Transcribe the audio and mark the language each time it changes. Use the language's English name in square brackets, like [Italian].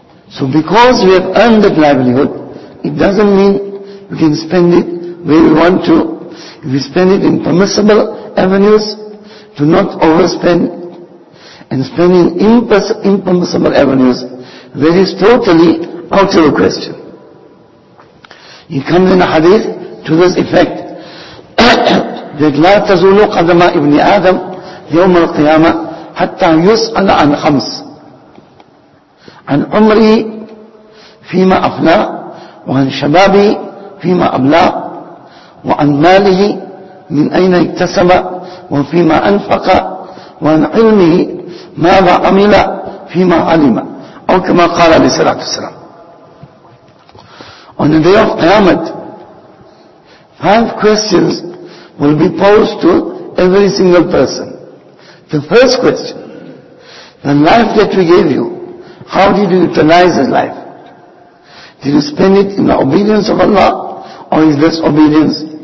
[English] So because we have earned that livelihood, it doesn't mean we can spend it where we want to. If we spend it in permissible avenues, do not overspend. And spending impermissible avenues, that is totally out of the question. He comes in a hadith to this effect, that [Arabic] لا تزول قدم ابن آدم يوم القيامة حتى يسأل عن خمس عن عمري فيما أفنى وعن شبابي فيما أبلى وعن ماله من أين اكتسب وفيما أنفق وعن علمه ماذا عمل فيما علم أو كما قال عليه الصلاة والسلام. [English] On the day of Qiyamah, 5 questions will be posed to every single person. The first question, the life that we gave you, how did you utilize this life? Did you spend it in the obedience of Allah or in disobedience?